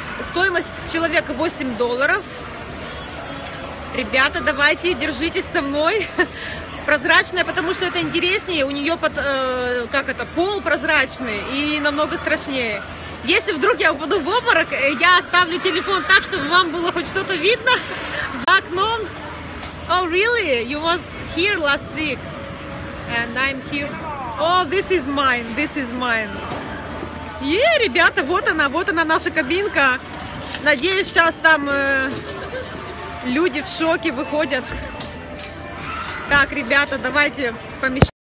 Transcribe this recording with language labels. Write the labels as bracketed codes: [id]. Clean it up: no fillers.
[ru] Стоимость человека 8 долларов. Ребята, давайте, держитесь со мной. Прозрачная, потому что это интереснее, у нее пол прозрачный и намного страшнее. Если вдруг я упаду в обморок, я оставлю телефон так, чтобы вам было хоть что-то видно за окном. [en] Oh, really? You was here last week, and I'm here. Oh, this is mine. Yeah, [ru] ребята, вот она наша кабинка. Надеюсь, сейчас там люди в шоке выходят. Так, ребята, давайте помещаем.